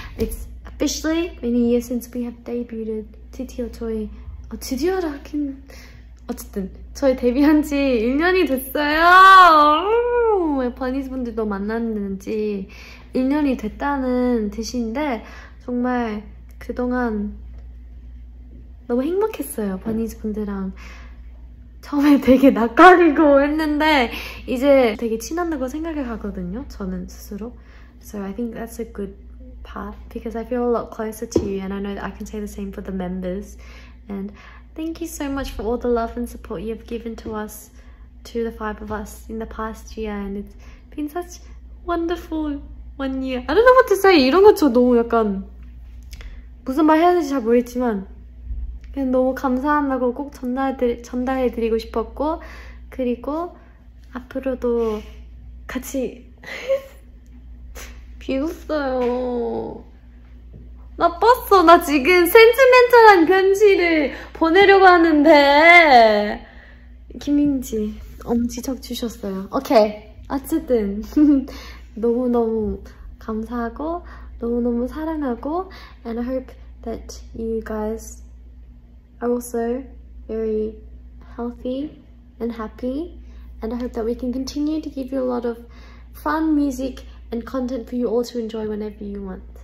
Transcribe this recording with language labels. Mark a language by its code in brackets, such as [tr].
[en] It's officially been a year since we have debuted. [ko] 드디어 저희, 드디어라 하긴. 어쨌든 저희 데뷔한 지 1년이 됐어요. Bunnies 분들도 만났는지 1년이 됐다는 뜻인데 정말 그동안 너무 행복했어요. Bunnies 분들이랑 처음에 되게 낯가리고 했는데 이제 되게 친한다고 생각을 하거든요. 저는 스스로. [en] So I think that's a good path because I feel a lot closer to you and I know that I can say the same for the members. And thank you so much for all the love and support you've given to us, to the five of us in the past year. And it's been such wonderful 1 year. I don't know what to say. [ko] 이런 거 저 너무 약간 무슨 말 해야 될지 잘 모르겠지만 그냥 너무 감사한다고 꼭 전달해드리고 싶었고 그리고 앞으로도 같이 비웃어요. 나빴어. 나 지금 센티멘탈한 편지를 보내려고 하는데 김민지 엄지척 주셨어요. 오케이. 어쨌든 너무너무 감사하고 너무너무 사랑하고 [en] and I hope that you guys are also very healthy and happy and I hope that we can continue to give you a lot of fun music and content for you all to enjoy whenever you want.